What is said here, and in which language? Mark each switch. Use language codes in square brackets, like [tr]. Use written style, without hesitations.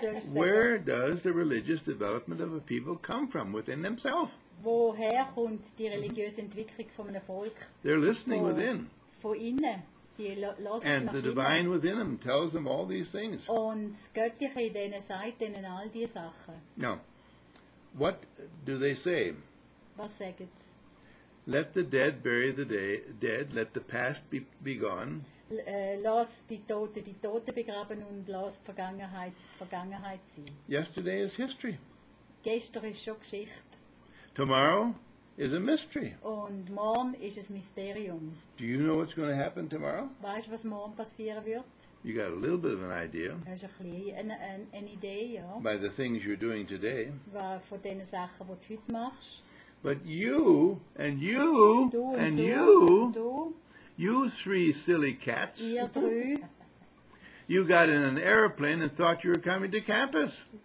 [en] Where does the religious development of a people come from? Within themselves. [de] Woher kommt die religiöse Entwicklung von einem Volk? [en] They're listening within. [de] Von innen. Die [en] and the divine innen. Within them tells them all these things. [de] Und das Göttliche in denen sagt denen all diese Sachen. [en] Now, what do they say? [de] Was sagen sie? [en] Let the dead bury the dead, let the past be gone. [de] Lass die Tote begraben und lass Vergangenheit sein. [en] Yesterday is history. [de] Gestern ist schon Geschichte. [en] Tomorrow is a mystery. [de] Und morgen ist es Mysterium. [en] Do you know what's going to happen tomorrow? [de] Weißt du, was morgen passieren wird? [en] You got a little bit of an idea. [de] Hast du eine Idee, ja? [en] By the things you're doing today. [de] Von den Sachen, die du heute machst. [en] But you, and you, and you, you three silly cats, you got in an airplane and thought you were coming to campus.